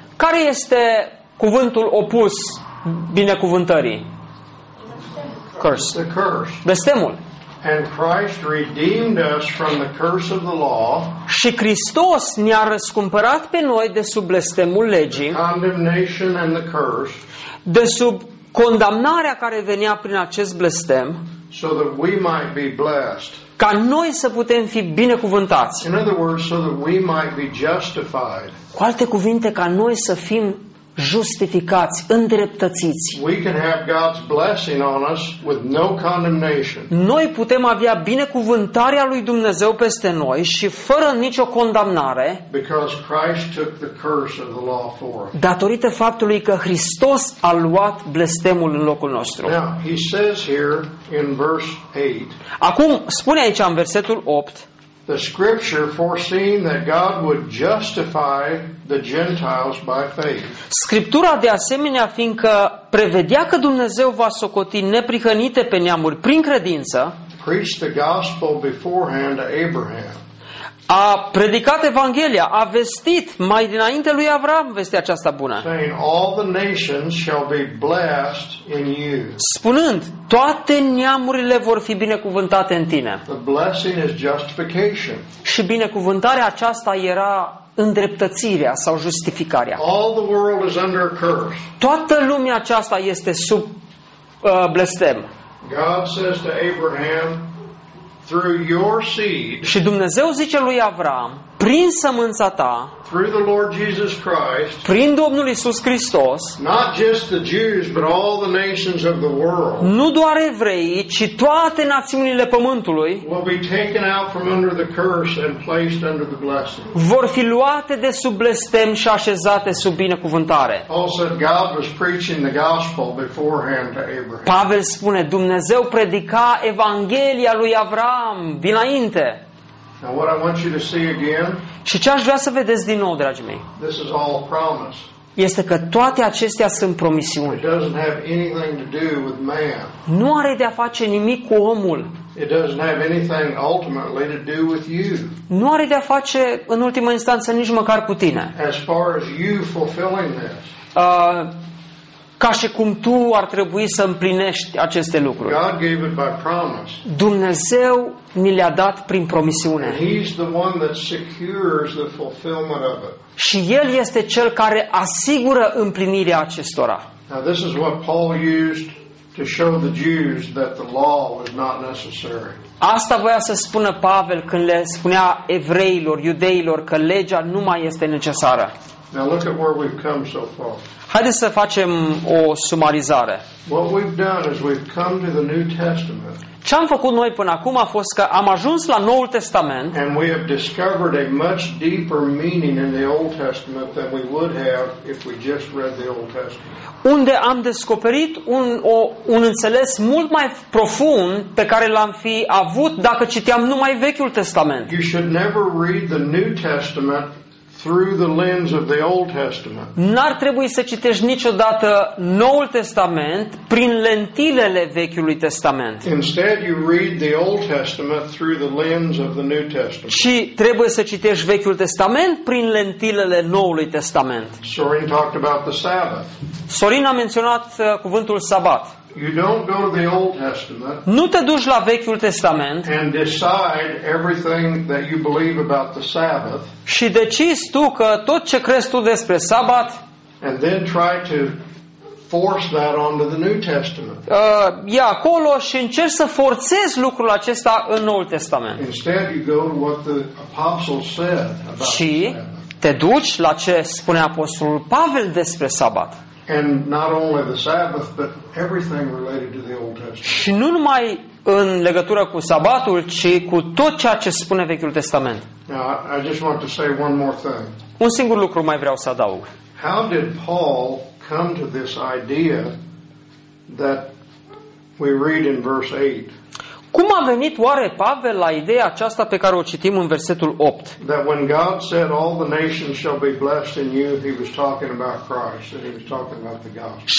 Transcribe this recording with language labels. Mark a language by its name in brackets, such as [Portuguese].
[Romanian] Care este cuvântul opus binecuvântării? [English] Curse. [Romanian] Blestemul. [English] And Christ redeemed us from the curse of the law. [Romanian] Și Hristos ne-a răscumpărat pe noi de sub blestemul legii. [English] Condemnation and the curse. [Romanian] De sub condamnarea care venea prin acest blestem. [English] So that we might be blessed. [Romanian] Ca noi să putem fi binecuvântați. [English] In other words, so that we might be justified. [Romanian] Cu alte cuvinte, ca noi să fim justificați, îndreptățiți. [English] We can have God's blessing on us with no condemnation. [Romanian] Noi putem avea binecuvântarea lui Dumnezeu peste noi și fără nicio condamnare. [English] Because Christ took the curse of the law for us. [Romanian] Datorită faptului că Hristos a luat blestemul în locul nostru. [English] Now, he says here in verse 8. [Romanian] Acum spune aici în versetul 8. [English] The scripture foreseeing that God would justify the Gentiles by faith. [Romanian] Scriptura de asemenea, fiindcă prevedea că Dumnezeu va socoti neprihănite pe neamuri prin credință. [English] Preached the gospel beforehand to Abraham. [Romanian] A predicat Evanghelia, a vestit mai dinainte lui Avram vestea aceasta bună. [English] Saying all the nations shall be blessed in you. [Romanian] Spunând, toate neamurile vor fi binecuvântate în tine. [English] The blessing is justification. [Romanian] Și binecuvântarea aceasta era îndreptățirea sau justificarea. [English] All the world is under a curse. [Romanian] Toată lumea aceasta este sub blestem. [English] God says to Abraham, through your seed. [Romanian] Și Dumnezeu zice lui Avram, prin sămânța ta, [English] through the Lord Jesus Christ, [Romanian] prin Domnul Iisus Hristos, [English] not just the Jews, but all the nations of the world, [Romanian] nu doar evreii, ci toate națiunile pământului, [English] will be taken out from under the curse and placed under the blessing. [Romanian] Vor fi luate de sub blestem și așezate sub binecuvântare. [English] Also, God was preaching the gospel beforehand to Abraham. [Romanian] Pavel spune, Dumnezeu predica Evanghelia lui Avram dinainte. [English] Now what I want you to see again. [Romanian] Și ce aș vrea să vedeți din nou, dragii mei? [English] This is all promise. [Romanian] Este că toate acestea sunt promisiuni. [English] It doesn't have anything to do with man. [Romanian] Nu are de a face nimic cu omul. [English] It doesn't have anything ultimately to do with you. [Romanian] Nu are de a face în ultimă instanță nici măcar cu tine. [English] As far as you fulfilling this. [Romanian] Ca și cum tu ar trebui să împlinești aceste lucruri. [English] God gave it by promise. [Romanian] Dumnezeu ni le-a dat prin promisiune. [English] He's the one that secures the fulfillment of it. [Romanian] Și El este Cel care asigură împlinirea acestora. [English] Now this is what Paul used to show the Jews that the law was not necessary. [Romanian] Asta voia să spună Pavel când le spunea evreilor, iudeilor, că legea nu mai este necesară. [English] Now look at where we've come so far. [Romanian] Haideți să facem o sumarizare. [English] What we've done is we've come to the New Testament. [Romanian] Ce am făcut noi până acum a fost că am ajuns la Noul Testament. [English] And we have discovered a much deeper meaning in the Old Testament than we would have if we just read the Old Testament. [Romanian] Unde am descoperit un înțeles mult mai profund pe care l-am fi avut dacă citeam numai Vechiul Testament. [English] You should never read the New Testament through the lens of the Old Testament. [Romanian] N-ar trebui să citești niciodată Noul Testament prin lentilele Vechiului Testament. [English] Instead, you read the Old Testament through the lens of the New Testament. [Romanian] Și trebuie să citești Vechiul Testament prin lentilele Noului Testament. [English] Sorin talked about the Sabbath. [Romanian] Sorin a menționat cuvântul sabat. [English] You don't go to the Old Testament. [Romanian] Nu te duci la Vechiul Testament. [English] And decide everything that you believe about the Sabbath. [Romanian] Și decizi tu că tot ce crezi tu despre sabat. [English] And then try to force that onto the New Testament. [Romanian] Ia acolo și încerci să forțezi lucrul acesta în Noul Testament. [English] Instead you go to what the apostle said about [Romanian] și te duci la ce spune apostolul Pavel despre sabat. [English] And not only the Sabbath, but everything related to the Old Testament. [Romanian] Și nu numai în legătură cu sabatul, ci cu tot ceea ce spune Vechiul Testament. [English] Now, I just want to say one more thing. [Romanian] Un singur lucru mai vreau să adaug. [English] How did Paul come to this idea that we read in verse 8? [Romanian] Cum a venit oare Pavel la ideea aceasta pe care o citim în versetul 8? [English] That when God said all the nations shall be blessed in you, he was talking about Christ, and he was talking about the gospel.